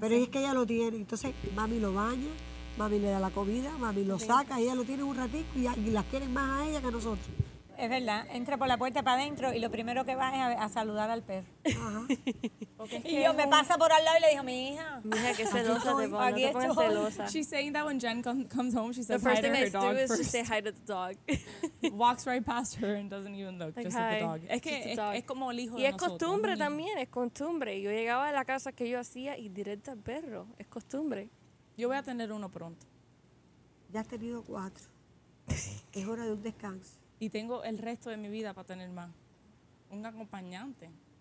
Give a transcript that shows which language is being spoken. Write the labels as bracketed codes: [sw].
[es] Pero es que ella lo tiene. Entonces, mami lo baña, mami le da la comida, mami lo saca. Ella lo tiene un ratito y las quieren más a ella que a nosotros. Es verdad, entra por la puerta para adentro y lo primero que va es a saludar al perro. Ajá. Okay, y yo me pasa por al lado y le digo, mi hija, qué celosa de vos, aquí no te pongas celosa. [en] She's saying that when Jen comes home, she says hi to her dog first. The first thing I do first. Is just say hi to the dog. Walks right past her and doesn't even look, like, just at the dog. [es] Es que es como el hijo y de nosotros. Y es costumbre también, es costumbre. Yo llegaba a la casa que yo hacía y directo al perro, es costumbre. Yo voy a tener uno pronto. Ya has tenido cuatro. Es hora de un descanso. Y tengo el resto de mi vida para tener más. Un acompañante.